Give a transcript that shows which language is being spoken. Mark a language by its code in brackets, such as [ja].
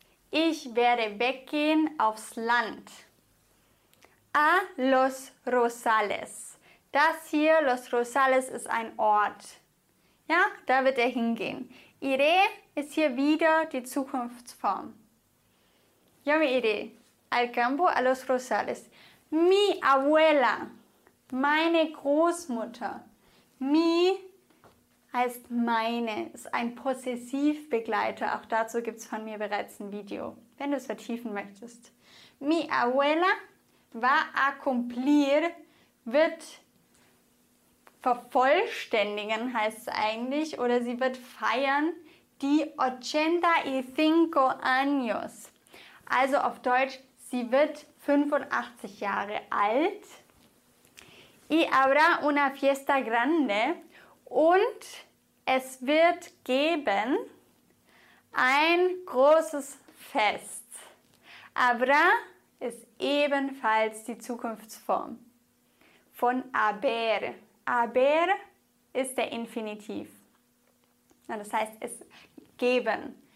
[de] Ich werde weggehen aufs Land. [es] A los Rosales. [de] Das hier, los Rosales, ist ein Ort. Ja, da wird er hingehen. Iré ist hier wieder die Zukunftsform. [es] Yo me iré al campo a los Rosales. Mi abuela. [de] Meine Großmutter. Mi heißt meine, ist ein Possessivbegleiter. Auch dazu gibt es von mir bereits ein Video, wenn du es vertiefen möchtest. [es] Mi abuela va a cumplir, [de] wird vervollständigen, heißt es eigentlich, oder sie wird feiern, die [es] 85 años. [de] Also auf Deutsch, sie wird 85 Jahre alt. [es] Y habrá una fiesta grande. [de] Und es wird geben ein großes Fest. Habrá ist ebenfalls die Zukunftsform von haber. Haber ist der Infinitiv. Das heißt, es geben.